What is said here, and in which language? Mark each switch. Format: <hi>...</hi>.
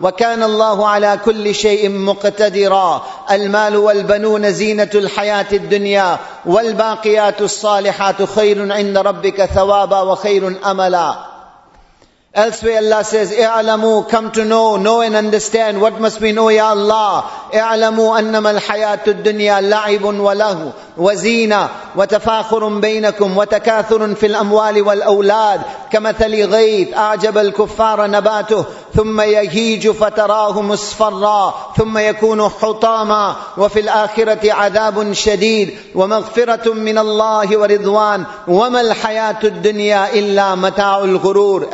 <ar>وكان الله على كل شيء مقتدرا المال والبنون زينة الحياة الدنيا والباقيات الصالحات خير عند ربك ثوابا وخير أملا.</ar> <en>Elsewhere Allah says, اعلموا, come to know and understand. What must we know, Ya Allah?</en> <ar>اعلموا أنما الحياة الدنيا لعب وله وزينة وتفاخر بينكم وتكاثر في الأموال والأولاد كمثل غيث أعجب الكفار نباته ثم يهيج فتراه مصفرا ثم يكون حطاما وفي الآخرة عذاب شديد ومغفرة من الله ورضوان وما الحياة الدنيا إلا متاع الغرور.</ar>